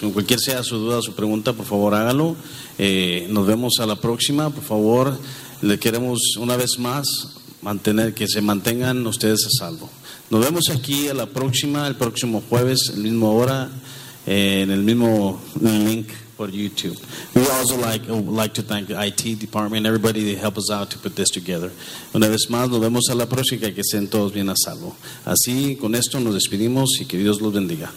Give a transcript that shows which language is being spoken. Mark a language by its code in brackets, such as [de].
[es] Con cualquier sea su duda, su pregunta, por favor, hágalo. Nos vemos a la próxima. Por favor, le queremos una vez más mantener que se mantengan ustedes a salvo. Nos vemos aquí a la próxima, el próximo jueves, el mismo hora, en el mismo link for YouTube. [en] We also like to thank the IT department, everybody that helped us out to put this together. [es] Una vez más, nos vemos a la próxima, que estén todos bien a salvo. Así, con esto nos despedimos y que Dios los bendiga.